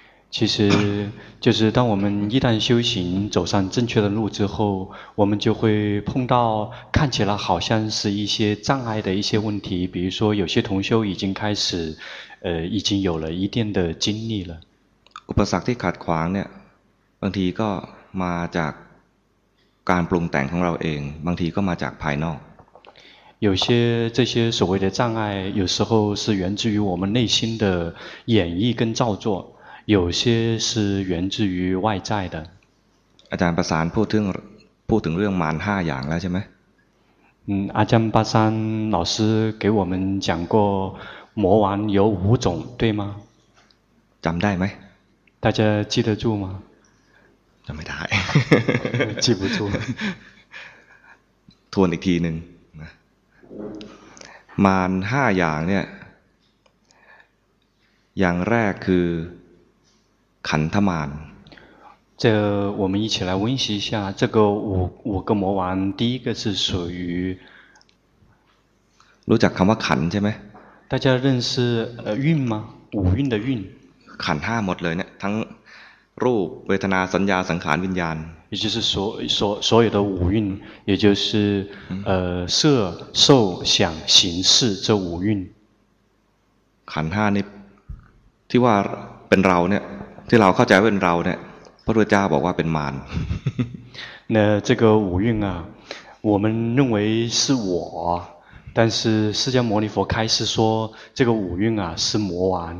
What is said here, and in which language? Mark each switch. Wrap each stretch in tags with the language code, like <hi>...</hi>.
<zh>其实就是当我们一旦修行走上正确的路之后我们就会碰到看起来好像是一些障碍的一些问题比如说有些同修已经开始已经有了一定的经历了</zh> <th>อุปสรรคที่ขัดขวางเนี่ยบางทีก็มาจากการปรุงแต่งของเราเองบางทีก็มาจากภายนอก</th> <zh>有些这些所谓的障碍有时候是源自于我们内心的演绎跟造作有些是源自于外在的</zh> <th>อาจารย์ประสานพูดถึงเรื่องมาน5อย่างแล้วใช่ไหม</th> <zh>อาจารย์ประสาน老师给我们讲过魔王有五种对吗</zh> <th>จำได้ไหม</th> <zh>大家记得住吗</zh> <th>จำไม่ได้</th> <zh>记不住</zh> <th>ทวนอีกทีหนึ่งมาน5อย่างเนี่ยอย่างแรกคือขันธมาน</th> <zh>这我们一起来温习一下这个五个魔王第一个是属于</zh> <th>รู้จักคำว่าขันใช่ไหม</th> <zh>大家认识运吗五运的运</zh> <th>ขัน5หมดเลยเนี่ยทั้งรูปเวทนาสัญญาสังขารวิญญาณ</th> <zh>也就是所有的五蕴也就是色受想行识这五蕴</zh> <th>ขันธ์5นี่ที่ว่าเป็นเราเนี่ยที่เราเข้าใจเป็นเราเนี่ยพระพุทธเจ้าบอกว่าเป็นมาร</th> <zh>那这个五蕴啊我们认为是我但是释迦牟尼佛开示说这个五蕴啊是魔王</zh>